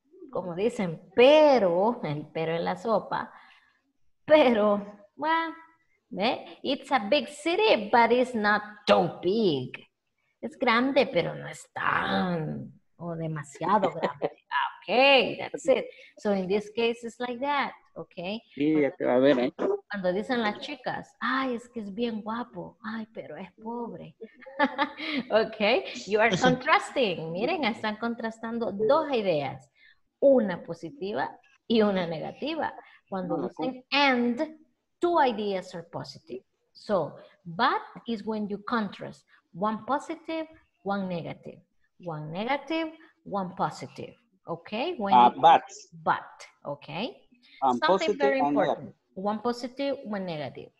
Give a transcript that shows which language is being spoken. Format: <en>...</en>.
<es>Como dicen, pero, el pero en la sopa, pero,</es> <en>well,</en> <es>¿eh?</es> <en>It's a big city, but it's not too big.</en> <es>Es grande, pero no es tan, o demasiado grande.</es> <en>Okay, that's it. So in this case, it's like that, okay.</en> <es>Sí, ya te va a ver, ¿eh? Cuando dicen las chicas, ay, es que es bien guapo, ay, pero es pobre.</es> <en>Okay, you are contrasting.</en> <es>Miren, están contrastando dos ideas, una positiva y una negativa. Cuando dicen</es> <en>and, two ideas are positive. So, but is when you contrast one positive, one negative. One negative, one positive. Okay, when but okay, something very important. One positive, one negative.</en>